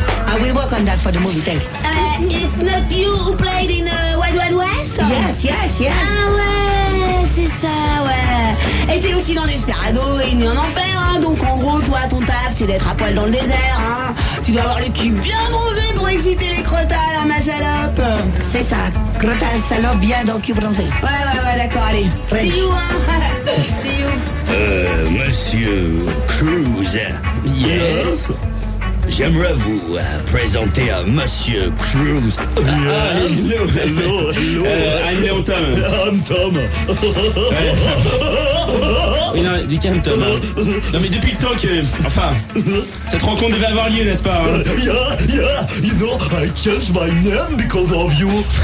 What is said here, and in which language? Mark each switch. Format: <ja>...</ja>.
<en>I will work on that for the movie, thank you. It's not you who played in Wild Wild West? Yes.</en> <fr>Ah ouais. C'est ça, ouais. Et t'es aussi dans Desperado et Nuit en Enfer, hein. Donc en gros, toi, ton taf, c'est d'être à poil dans le désert, hein. Tu dois avoir le cul bien bronzé pour exciter les crotales, hein, ma salope. C'est ça, crotales salope bien dans le cul bronzé. Ouais, d'accord, allez.</fr> <en>See you,</en> <fr>hein. See you. Monsieur Cruz.</fr> <en>Yes.</en> <fr>J'aimerais vous présenter à Monsieur Cruz.</fr> <en>Hello. I'm Tom.</en> <fr>Ouais. Oui, non, du calme, Tom. Hein. Non, mais depuis le temps que... Enfin, cette rencontre devait avoir lieu, n'est-ce pas,</fr> <en>hein? Yeah. You know, I changed my name because of you.</en>